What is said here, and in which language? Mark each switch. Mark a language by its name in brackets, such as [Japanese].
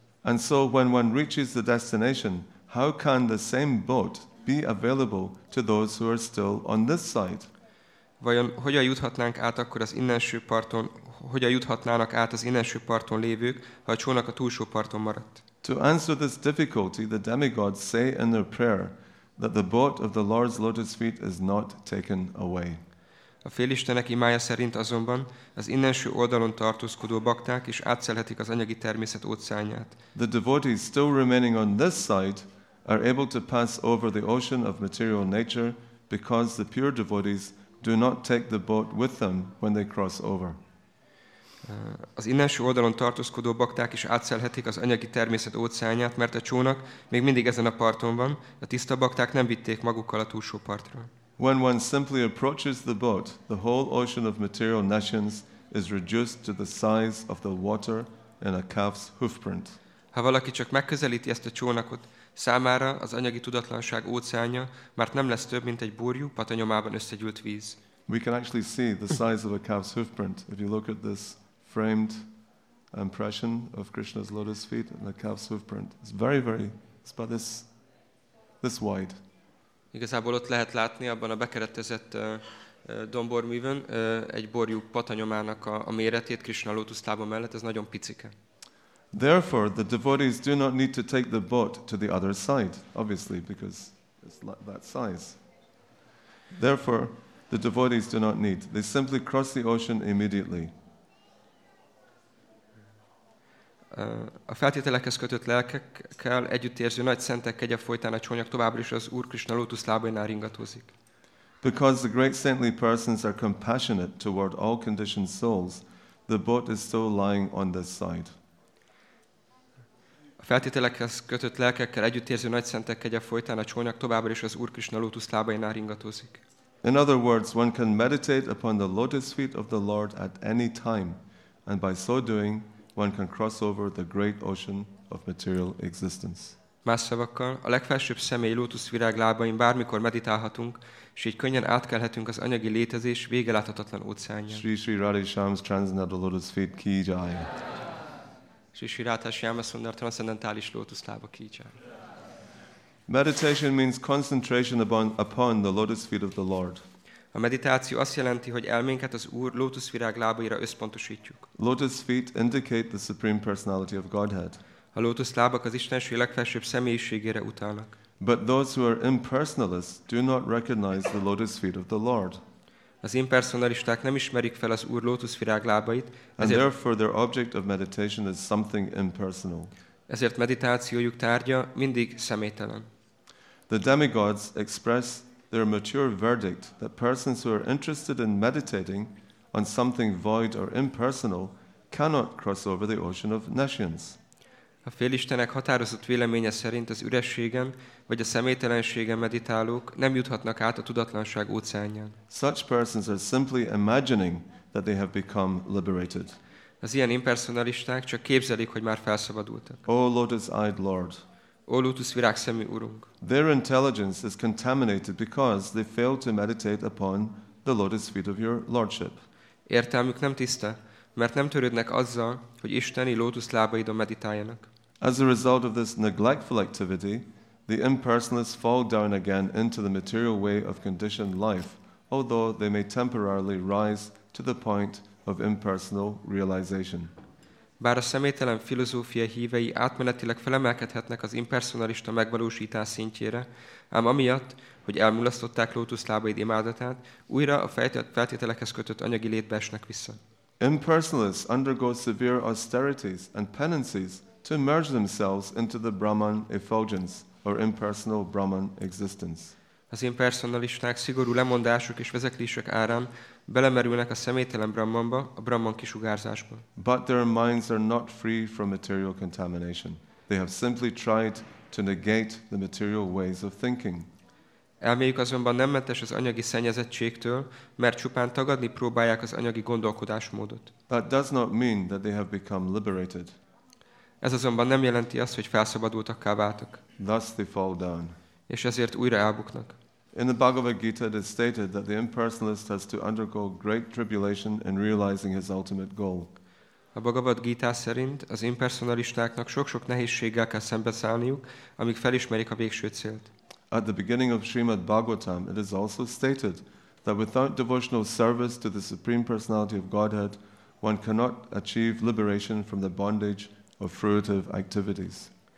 [English] And so when one reaches the destination, how can the same boat be available to those who are still on this side? [Hungarian] Vajon hogyan juthatnánk át akkor az innenső parton, hogyan juthatnának át az innenső parton lévők, ha a csónak a túlsó parton maradt? [English] To answer this difficulty, the demigods say in their prayer that the boat of the Lord's lotus feet is not taken away. [Hungarian] A félistenek imája szerint azonban az innenső oldalon tartózkodó bakták is átszelhetik az anyagi természet óceánját. [English] The devotees still remaining on this side are able to pass over the ocean of material nature because the pure devotees do not take the boat with them when they cross over. [Hungarian] Az innenső oldalon tartózkodó bakták is átszelhetik az anyagi természet óceánját, mert a csónak még mindig ezen a parton van, a tiszta bakták nem vitték magukkal a túlsó partra. [English] When one simply approaches the boat, the whole ocean of material nations is reduced to the size of the water in a calf's hoofprint. [Hungarian] Ha valaki csak megközelíti ezt a csónakot, számára az anyagi tudatlanság óceánja már nem lesz több, mint egy borjú patanyomában összegyűlt víz. [English] We can actually see the size of a calf's hoofprint if you look at this framed impression of Krishna's lotus feet and the calf's hoofprint. It's very, very, it's about this wide. [Hungarian] Igazából ott lehet látni abban a bekeretezett domborművön egy borjú patanyomának a méretét Krishna lotus lába mellett, ez nagyon picike. [English] Therefore, the devotees do not need to take the boat to the other side, obviously, because it's that size. Therefore, the devotees do not need. They simply cross the ocean immediately. [Hungarian] A feltételekhez kötött lelkekkel együttérző nagy szentek kegye folytán a csónak továbbra is az Úr Krishna lótusz lábainál ringatózik. [English] Because the great saintly persons are compassionate toward all conditioned souls, the boat is still lying on this side. [Hungarian] A feltételekhez kötött lelkekkel együttérző nagy szentek kegye folytán a csónak továbbra is az Úr Krishna lótusz lábainál ringatózik. [English] In other words, one can meditate upon the lotus feet of the Lord at any time, and by so doing, one can cross over the great ocean of material existence. [Hungarian] Más szavakkal, a legfelsőbb személy lótuszvirág lábain bármikor meditálhatunk, és így könnyen átkelhetünk az anyagi létezés végeláthatatlan óceánján. [English] Sri Sri Radhishyam's transcendental lotus feet ki jai. [Hungarian] Sri Sri Radhishyamasundar transcendentális lótuszlába ki jai. [English] Meditation means concentration upon the lotus feet of the Lord. [Hungarian] A meditáció azt jelenti, hogy elménket az Úr lótuszvirág lábaira összpontosítjuk. [English] Lotus feet indicate the supreme personality of Godhead. [Hungarian] A lótuszlábak az Istenség legfelsőbb személyiségére utalnak. [English] But those who are impersonalists do not recognize the lotus feet of the Lord. [Hungarian] Az impersonalisták nem ismerik fel az Úr lótuszvirág lábait, [English] and therefore their object of meditation is something impersonal. [Hungarian] Ezért meditációjuk tárgya mindig személytelen. [English] The demigods express their mature verdict that persons who are interested in meditating on something void or impersonal cannot cross over the ocean of nations. [Hungarian] A félistenek határozott véleménye szerint az ürességen vagy a személytelenségen meditálók nem juthatnak át a tudatlanság óceánján. [English] Such persons are simply imagining that they have become liberated. [Hungarian] Az ilyen impersonalisták csak képzelik, hogy már felszabadultak. [English] O lotus-eyed Lord, [Hungarian] O lótuszvirág szemű Urunk. [English] Their intelligence is contaminated because they fail to meditate upon the lotus feet of your lordship. [Hungarian] Értelmük nem tiszta, mert nem törődnek azzal, hogy isteni lótuszlábaidon meditáljanak. [English] As a result of this neglectful activity, the impersonalists fall down again into the material way of conditioned life, although they may temporarily rise to the point of impersonal realization. [Hungarian] Bár a személytelen filozófia hívei átmenetileg felemelkedhetnek az impersonalista megvalósítás szintjére, ám amiatt, hogy elmulasztották lótuszlábaid imádatát, újra a feltételekhez kötött anyagi létbe esnek vissza. [English] Impersonalists undergo severe austerities and penances to merge themselves into the Brahman effulgence or impersonal Brahman existence. [Hungarian] Az impersonalisták szigorú lemondások és vezeklések árán belemerülnek a személytelen Brahmanba, a Brahman kisugárzásba. [English] But their minds are not free from material contamination. They have simply tried to negate the material ways of thinking. [Hungarian] Elméjük azonban nem mentes az anyagi szennyezettségtől, mert csupán tagadni próbálják az anyagi gondolkodásmódot. [English] That does not mean that they have become liberated. [Hungarian] Ez azonban nem jelenti azt, hogy felszabadultakká váltak. [English] Thus they fall down. [Hungarian] És ezért újra elbuknak. [English] In the Bhagavad Gita, it is stated that the impersonalist has to undergo great tribulation in realizing his ultimate goal. [Hungarian] A Bhagavad Gita szerint az impersonalistáknak sok-sok nehézséggel kell szembeszállniuk, amíg felismerik a végső célt. [English] At the beginning of Srimad Bhagavatam, it is also stated that without devotional service to the Supreme Personality of Godhead, one cannot achieve liberation from the bondage of fruitive activities.